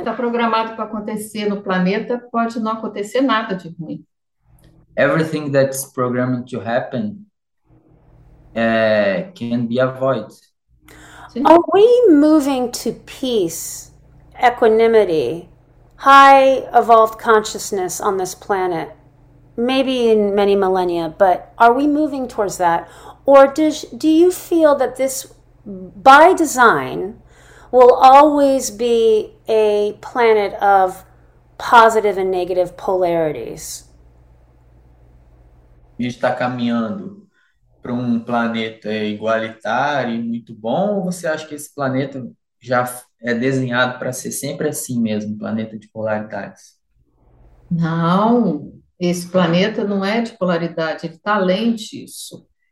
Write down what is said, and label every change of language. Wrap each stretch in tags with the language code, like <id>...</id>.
<pt>O que está programado para acontecer no planeta pode não acontecer nada de ruim.</pt> <en>Everything that's programmed to happen can be avoided. Sim. Are we moving to peace, equanimity, high evolved consciousness on this planet? Maybe in many millennia, but are we moving towards that? Or do you feel that this, by design, will always be a planet of positive and negative polarities?</en> <pt>A gente está caminhando para um planeta igualitário e muito bom, ou você acha que esse planeta já é desenhado para ser sempre assim mesmo, planeta de polaridades? Não, esse planeta não é de polaridade, ele está além disso.</pt>